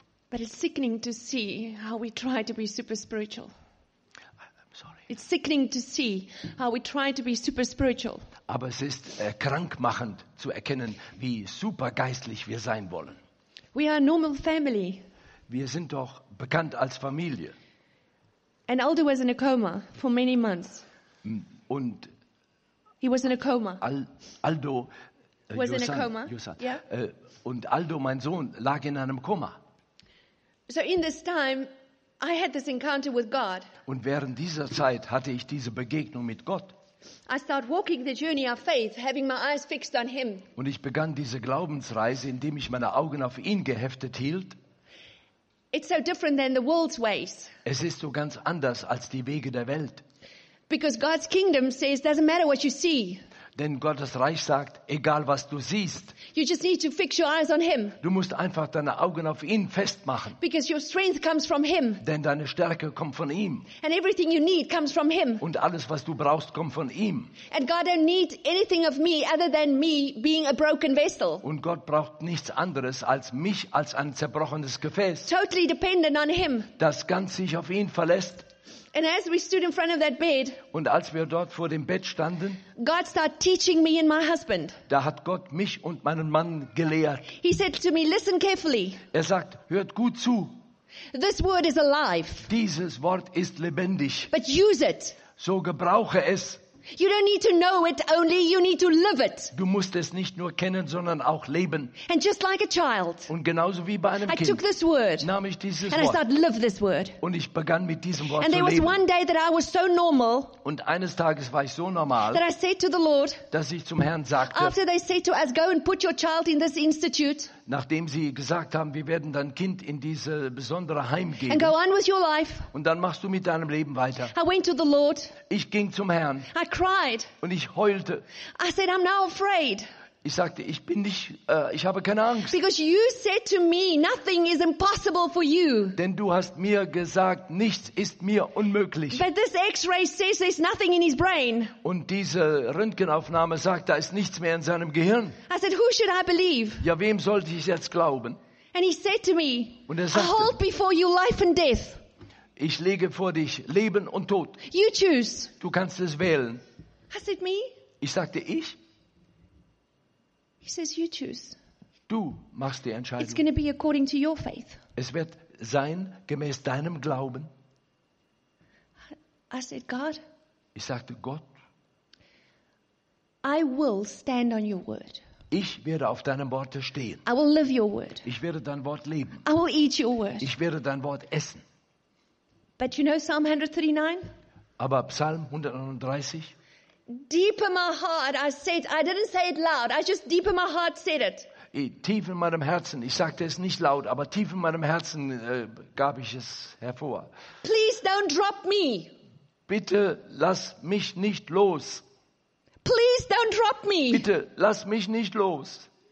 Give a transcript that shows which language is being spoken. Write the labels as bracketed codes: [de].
[en] But it's sickening to see how we try to be super spiritual. I'm sorry. It's sickening to see how we try to be super spiritual. [de] Aber es ist krankmachend zu erkennen, wie supergeistlich wir sein wollen. [en] We are a normal family. [de] Wir sind doch bekannt als Familie. [en] An elder was in a coma for many months. [de] Und [en] he was in a coma. Aldo was in a coma. [de] Und Aldo, mein Sohn, lag in einem Koma. [en] So in this time I had this encounter with God. [de] Und während dieser Zeit hatte ich diese Begegnung mit Gott. [en] I start walking the journey of faith, having my eyes fixed on him. [de] Und ich begann diese Glaubensreise, indem ich meine Augen auf ihn geheftet hielt. [en] It's so different than the world's ways. [de] Es ist so ganz anders als die Wege der Welt. [en] Because God's kingdom says it doesn't matter what you see. [de] Denn Gottes Reich sagt, egal was du siehst. [en] You just need to fix your eyes on him. [de] Du musst einfach deine Augen auf ihn festmachen. [en] Because your strength comes from him. [de] Denn deine Stärke kommt von ihm. [en] And everything you need comes from him. [de] Und alles was du brauchst kommt von ihm. [en] And God don't need anything of me other than me being a broken vessel. [de] Und Gott braucht nichts anderes als mich als ein zerbrochenes Gefäß. [en] Totally dependent on him. [de] Das ganz sich auf ihn verlässt. [en] And as we stood in front of that bed, [de] und als wir dort vor dem Bett standen, [en] God started teaching me and my husband. [de] Da hat Gott mich und meinen Mann gelehrt. [en] He said to me, "Listen carefully." [de] Er sagt, hört gut zu. [en] This word is alive. [de] Dieses Wort ist lebendig. [en] But use it. [de] So gebrauche es. [en] You don't need to know it only, you need to live it. [de] Du musst es nicht nur kennen, sondern auch leben. [en] And just like a child. [de] Und genauso wie bei einem [en] I [de] Kind. [en] I took this word. [de] Nahm ich dieses [en] and [de] Wort. [en] I started to live this word. [de] Und ich begann mit diesem Wort [en] and [de] zu leben. [en] And there was one day that I was so normal. [de] Und eines Tages war ich so normal. [en] That I said to the Lord. [de] Dass ich zum Herrn sagte. [en] After they said to us, go and put your child in this institute. [de] Nachdem sie gesagt haben, wir werden dein Kind in diese besondere Heim geben. [en] And go on with your life. [de] Und dann machst du mit deinem Leben weiter. [en] I went to the Lord. [de] Ich ging zum Herrn. [en] I cried. [de] Und ich heulte. [en] I said, I'm now afraid. [de] Ich sagte, ich bin nicht, ich habe keine Angst. [en] Because you said to me, nothing is impossible for you. [de] Denn du hast mir gesagt, nichts ist mir unmöglich. [en] But this X-ray says there's nothing in his brain. [de] Und diese Röntgenaufnahme sagt, da ist nichts mehr in seinem Gehirn. [en] I said, who should I believe? [de] Ja, wem sollte ich jetzt glauben? [en] And he said to me, [de] und er sagte, [en] I hold before you life and death. [de] Ich lege vor dich Leben und Tod. [en] You choose. [de] Du kannst es wählen. [en] I said, me? [de] Ich sagte, ich. [en] He says, you choose. [de] Du machst die Entscheidung. [en] It's going to be according to your faith. [de] Es wird sein gemäß deinem Glauben. [en] I said, God. [de] Ich sagte, Gott. [en] I will stand on your word. [de] Ich werde auf deinem Wort stehen. [en] I will live your word. [de] Ich werde dein Wort leben. [en] I will eat your word. [de] Ich werde dein Wort essen. [en] But you know Psalm 139? [de] Aber Psalm 139? [en] Deep in my heart, I said, I didn't say it loud. I just deep in my heart said it. [de] Tief in meinem Herzen, ich sagte es nicht laut, aber tief in meinem Herzen gab ich es hervor. [en] Please don't drop me. [de] Bitte lass mich nicht los. [en] Please don't drop me. [de] Bitte lass mich nicht los.